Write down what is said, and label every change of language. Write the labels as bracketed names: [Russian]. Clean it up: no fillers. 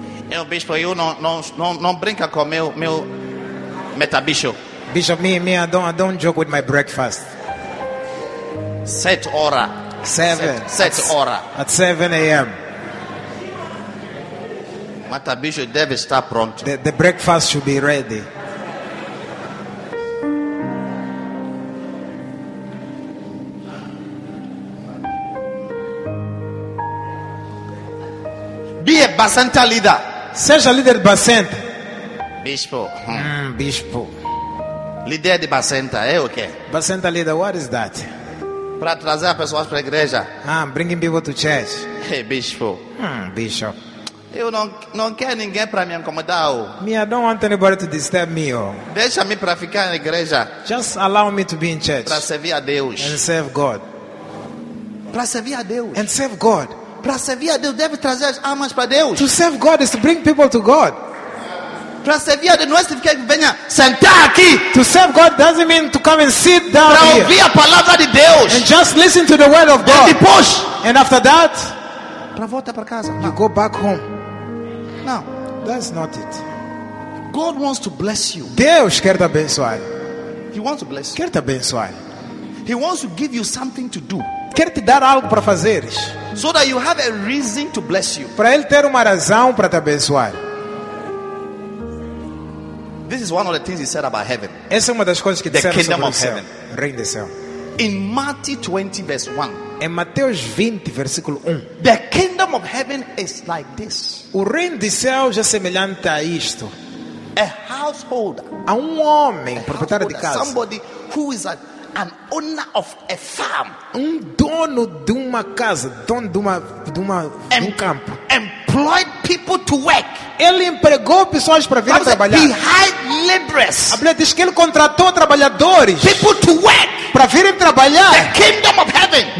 [Portuguese] Eu, bispo, eu não brinca com meu metabicho. [English] Bishop, me, I don't joke with my breakfast. [Portuguese] Set hora. [English] Seven. [Portuguese] Set hora. [English] At 7 a.m. [Portuguese] Metabicho deve estar pronto. [English] The breakfast should be ready. Be a Bacenta leader. [Portuguese] Seja líder de Bacenta. Bispo. Bispo. Líder de Bacenta, é o quê? [English] Bacenta leader, what is that? [Portuguese] Para trazer as pessoas para a igreja. [English] Ah, bringing people to church. [Portuguese] Hey, bispo. [English] Bishop. [Portuguese] Eu não quero ninguém para me incomodar. [English] Me, I don't want anybody to disturb me. Oh. [Portuguese] Deixa-me para ficar na igreja. [English] Just allow me to be in church. [Portuguese] Para servir a Deus. [English] And serve God. [Portuguese] Para servir a Deus. [English] And serve God. [Portuguese] Para servir a Deus deve trazer as almas para Deus. [English] To serve God is to bring people to God. [Portuguese] Para servir a Deus não é significar que venha sentar aqui. [English] To serve God doesn't mean to come and sit down. [Portuguese] Para ouvir a palavra de Deus. [English] And just listen to the word of God. [Portuguese] E push. [English] And after that, [Portuguese] para voltar para casa. [English] You go back home. No, that's not it. God wants to bless you. [Portuguese] Deus quer te abençoar. [English] He wants to bless you. [Portuguese] Quer te abençoar. [English] He wants to give you something to do. [Portuguese] Quer te dar algo para fazer. [English] So that you have a reason to bless you. [Portuguese] Para ele ter uma razão para te abençoar. [English] This is one of the things he said about heaven. [Portuguese] Essa é uma das coisas que [English] the kingdom [Portuguese] sobre [English] of heaven. [Portuguese] O reino do céu. [English] In Matthew 20 verse 1. [Portuguese] Em Mateus 20 versículo 1. [English] The kingdom of heaven is like this. [Portuguese] O reino de céus é semelhante a isto. [English] A household. [Portuguese] A um homem, proprietário de casa. [English] Somebody who is an owner of a farm. [Portuguese] Um dono de uma casa, dono de um campo. [English] Employed people to work. [Portuguese] Ele empregou pessoas para vir trabalhar. [English] He hired laborers. [Portuguese] A Bíblia diz que ele contratou trabalhadores. [English] People to work. [Portuguese] Para virem trabalhar. [English] The kingdom of heaven.